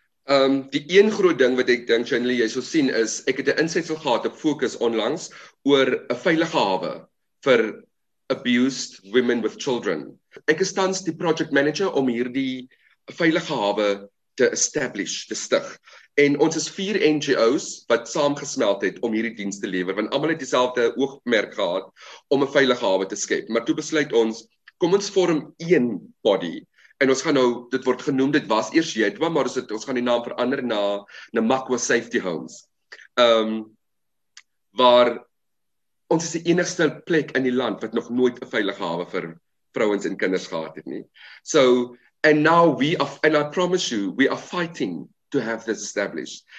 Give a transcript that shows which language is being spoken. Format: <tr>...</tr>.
<af>Die een groot ding wat ek dink, Shanley, jy sal sien, is ek het 'n insetsel gehad op Fokus onlangs oor 'n veilige hawe vir</af> <en>abused women with children.</en> <af>Ek is tans die project manager om hierdie veilige hawe te establish, te stig. En ons is 4 NGO's wat saamgesmelt het om hierdie diens te lewer, want almal het dieselfde oogmerk gehad om 'n veilige hawe te skep. Maar toe besluit ons, kom ons vorm een body. En ons gaan nou, dit word genoem, dit was eers Jetwa, maar ons gaan die naam verander na Namakwa Safety Homes. Waar ons is die enigste plek in die land wat nog nooit 'n veilige hawe vir vrouens en kinders gehad het nie.</af> <en>So, and now we are, and I promise you, we are fighting to have this established.</en>